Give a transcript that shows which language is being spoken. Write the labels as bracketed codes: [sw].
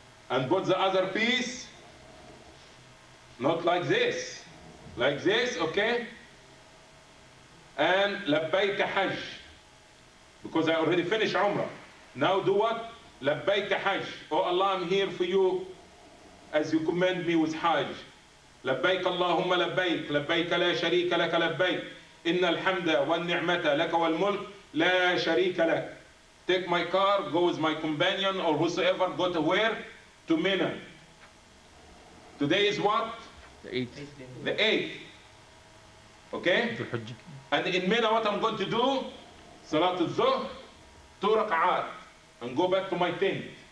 [en] And put the other piece, not like this, like this, okay? And labbayka hajj, because I already finished Umrah. Now do what? Labbayka hajj. Oh Allah, I'm here for you as you command me with hajj. [ar] لبيك اللهم لبيك لبيك لا شريك لك لبيك إن الحمد والنعمة لك والملك لا شريك لك. [en] Take my car, go with my companion or whosoever, go to where? To Mina. Today is what? The 8th. Okay? And in Mina what I'm going to do? Salat al-Zuhr, 2 rak'at, and go back to my tent.